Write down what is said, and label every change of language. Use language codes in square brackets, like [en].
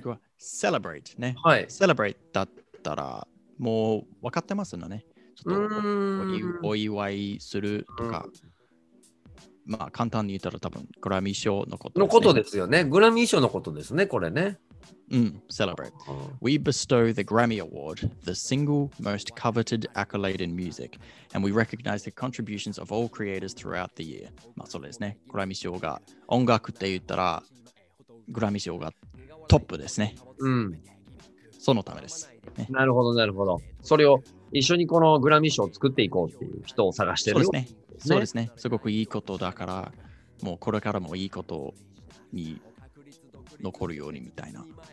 [ja] 次は celebrate ね。はい。 celebrate だったらもう分かってますのね。ちょっと お祝いするとか、うん、まあ簡単に言ったら多分グラミー賞のことですね。のことですよね。グラミー賞のことですね、これね。うん、celebrate。 [en] We bestow the Grammy Award, the single most coveted accolade in music, and we recognize the contributions of all creators throughout the year。 [ja] まあそうですね。グラミー賞が音楽って言ったら、グラミー賞がトップですね。うん。そのためです、ね、なるほどなるほど。それを一緒にこのグラミー賞を作っていこうっていう人を探してるそうです ね。そうですね。すごくいいことだから、もうこれからもいいことに残るようにみたいな。